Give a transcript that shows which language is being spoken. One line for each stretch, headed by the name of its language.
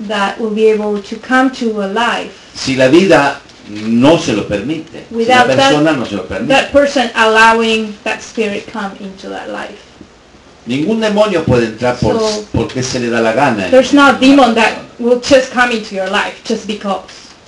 English: That will be able to come to a life.
Spanish: Si la vida no se lo permite.
English: Without
Spanish: si la persona no se lo permite.
English: That person allowing that spirit come into that life.
Spanish: Ningún demonio puede entrar por, so, porque se le da la gana.
English: There's not a demon that will just come into your life just because.